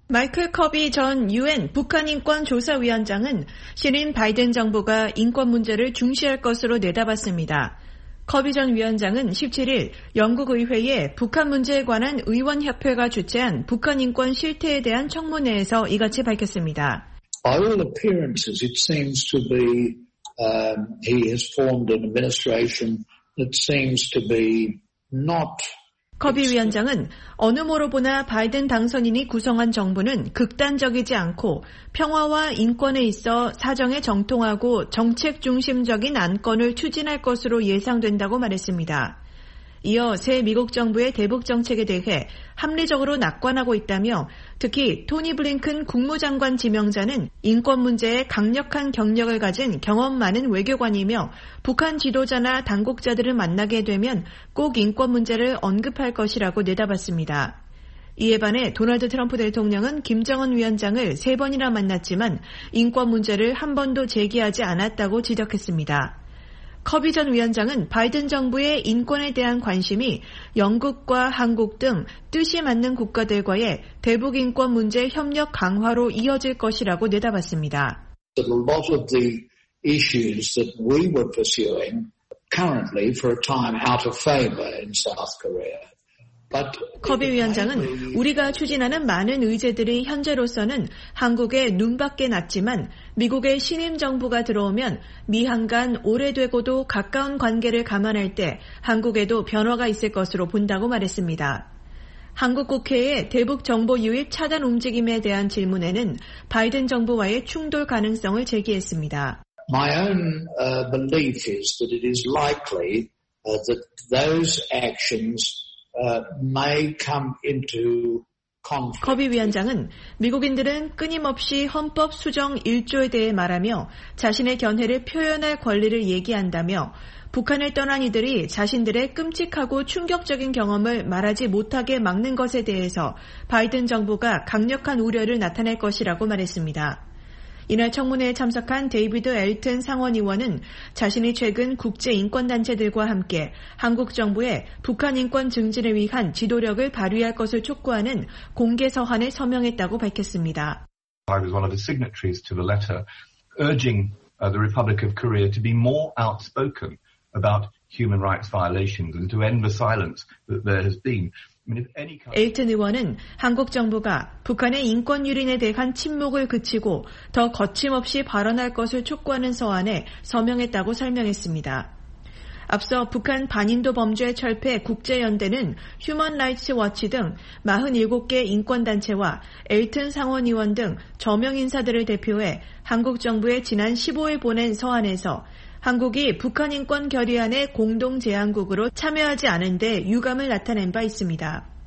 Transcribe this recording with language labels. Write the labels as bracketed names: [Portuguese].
[Korean] 마이클 커비 전 유엔 북한인권조사위원장은 신임 바이든 정부가 인권 문제를 중시할 것으로 내다봤습니다. 커비 전 위원장은 17일 영국의회에 북한 문제에 관한 의원협회가 주최한 북한인권 실태에 대한 청문회에서 이같이 밝혔습니다. [English] All appearances, it seems to be, he has formed an administration that seems to be not [Korean] 커비 위원장은 어느 모로 보나 바이든 당선인이 구성한 정부는 극단적이지 않고 평화와 인권에 있어 사정에 정통하고 정책 중심적인 안건을 추진할 것으로 예상된다고 말했습니다. 이어 새 미국 정부의 대북 정책에 대해 합리적으로 낙관하고 있다며 특히 토니 블링큰 국무장관 지명자는 인권 문제에 강력한 경력을 가진 경험 많은 외교관이며 북한 지도자나 당국자들을 만나게 되면 꼭 인권 문제를 언급할 것이라고 내다봤습니다. 이에 반해 도널드 트럼프 대통령은 김정은 위원장을 세 번이나 만났지만 인권 문제를 한 번도 제기하지 않았다고 지적했습니다. 커비 전 위원장은 바이든 정부의 인권에 대한 관심이 영국과 한국 등 뜻이 맞는 국가들과의 대북 인권 문제 협력 강화로 이어질 것이라고 내다봤습니다. [English] A lot of the issues that we were pursuing currently for a time out of favor in South Korea. [Korean] 커비 위원장은 우리가 추진하는 많은 의제들이 현재로서는 한국에 눈밖에 났지만 미국의 신임 정부가 들어오면 미한 간 오래되고도 가까운 관계를 감안할 때 한국에도 변화가 있을 것으로 본다고 말했습니다. 한국 국회의 대북 정보 유입 차단 움직임에 대한 질문에는 바이든 정부와의 충돌 가능성을 제기했습니다. [English] My own belief is that it is likely that those actions may come into conflict. [Korean] 커비 위원장은 미국인들은 끊임없이 헌법 수정 1조에 대해 말하며 자신의 견해를 표현할 권리를 얘기한다며 북한을 떠난 이들이 자신들의 끔찍하고 충격적인 경험을 말하지 못하게 막는 것에 대해서 바이든 정부가 강력한 우려를 나타낼 것이라고 말했습니다. 이날 청문회에 참석한 데이비드 엘튼 상원의원은 자신이 최근 국제인권단체들과 함께 한국 정부에 북한 인권 증진을 위한 지도력을 발휘할 것을 촉구하는 공개서한에 서명했다고 밝혔습니다. [English] I was one of the signatories to the letter urging the Republic of Korea to be more outspoken about human rights violations and to end the silence that there has been. [Korean] 에이튼 의원은 한국 정부가 북한의 인권 유린에 대한 침묵을 그치고 더 거침없이 발언할 것을 촉구하는 서한에 서명했다고 설명했습니다. 앞서 북한 반인도 범죄 철폐 국제연대는 휴먼 라이츠 워치 등 47개 인권단체와 엘튼 상원의원 등 저명 인사들을 대표해 한국 정부에 지난 15일 보낸 서한에서 한국이 북한 인권 결의안의 공동 제안국으로 참여하지 않은 데 유감을 나타낸 바 있습니다.